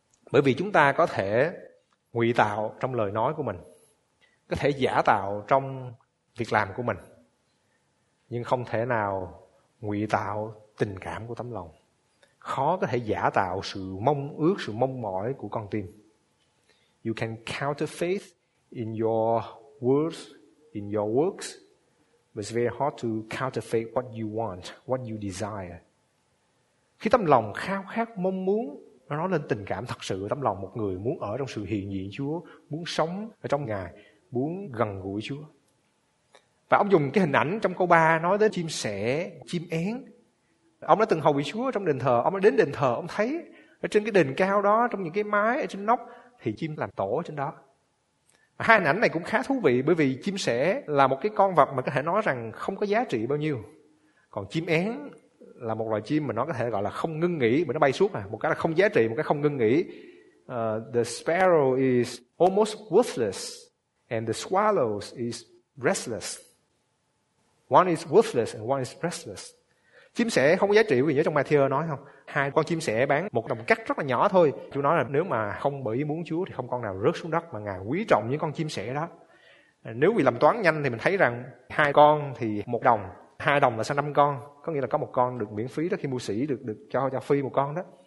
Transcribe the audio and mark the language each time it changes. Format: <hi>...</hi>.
<vi>Bởi vì chúng ta có thể ngụy tạo trong lời nói của mình, có thể giả tạo trong việc làm của mình, nhưng không thể nào ngụy tạo tình cảm của tấm lòng. Khó có thể giả tạo sự mong ước, sự mong mỏi của con tim.</vi> <en>You can counterfeit in your words, in your works, but it's very hard to counterfeit what you want, what you desire.</en> <vi>Khi tấm lòng khao khát mong muốn, nó nói lên tình cảm thật sự của tấm lòng một người muốn ở trong sự hiện diện Chúa, muốn sống ở trong Ngài, muốn gần gũi Chúa. Và ông dùng cái hình ảnh trong câu 3 nói đến chim sẻ, chim én. Ông đã từng hầu vị Chúa trong đền thờ, ông đã đến đền thờ, ông thấy ở trên cái đền cao đó, trong những cái mái ở trên nóc, thì chim làm tổ ở trên đó. Hai hình ảnh này cũng khá thú vị, bởi vì chim sẻ là một cái con vật mà có thể nói rằng không có giá trị bao nhiêu. Còn chim én là một loài chim mà nó có thể gọi là không ngưng nghỉ, mà nó bay suốt à. Một cái là không giá trị, một cái không ngưng nghỉ.</vi> <en>The sparrow is almost worthless, and the swallow is restless. One is worthless and one is restless.</en> <vi>Chim sẻ không có giá trị, quý vị nhớ trong Matthew nói không? Hai con chim sẻ bán một đồng cắt rất là nhỏ thôi. Chúa nói là nếu mà không bởi ý muốn Chúa thì không con nào rớt xuống đất, mà Ngài quý trọng những con chim sẻ đó. Nếu vì làm toán nhanh thì mình thấy rằng hai con thì một đồng, hai đồng là sang năm con, có nghĩa là có một con được miễn phí đó, khi mua sỉ được cho phi một con đó.</vi>